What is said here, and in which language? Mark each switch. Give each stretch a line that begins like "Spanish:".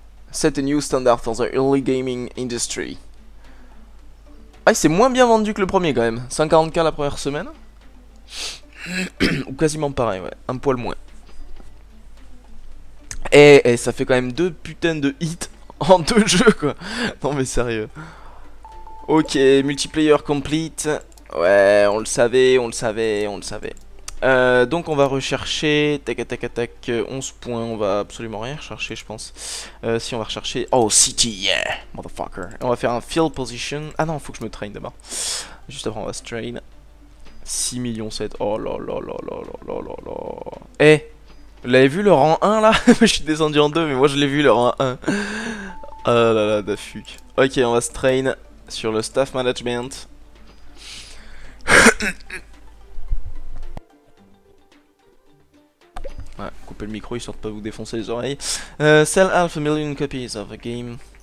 English: Set a new standard for the early gaming industry.
French: Ah, c'est moins bien vendu que le premier quand même. 140k la première semaine. Ou quasiment pareil, ouais. Un poil moins. Et ça fait quand même deux putains de hits en deux jeux, quoi. Non, mais sérieux.
English: Ok, multiplayer complete.
French: Ouais, on le savait, on le savait, on le savait. Donc on va rechercher, tac tac tac, 11 points, on va absolument rien rechercher je pense. Si on va rechercher, oh city,
English: yeah, motherfucker.
French: On va faire un field position, ah non faut que je me traîne d'abord. Juste après on va se train. 6 millions 7, oh la la la la la la la la. Eh, vous l'avez vu le rang 1 là? Je suis descendu en 2 mais moi je l'ai vu le rang 1. Oh la la,
English: da fuck.
French: Ok, on va se train sur le staff management. Ouais, coupez le micro, histoire de pas vous défoncer les oreilles.
English: Sell half a million copies of a game.